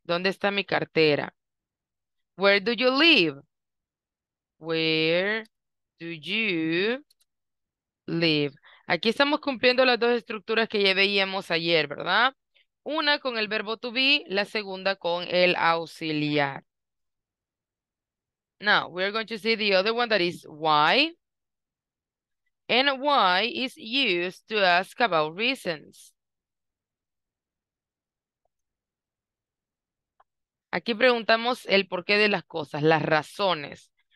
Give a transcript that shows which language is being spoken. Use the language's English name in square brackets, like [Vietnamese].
[Spanish] ¿Dónde está mi cartera? [English] Where do you live? Where do you live? [Spanish] Aquí estamos cumpliendo las dos estructuras que ya veíamos ayer, ¿verdad? Una con el verbo to be, la segunda con el auxiliar. [English] Now, we are going to see the other one, that is why. And why is used to ask about reasons. [Spanish] Aquí preguntamos el porqué de las cosas, las razones.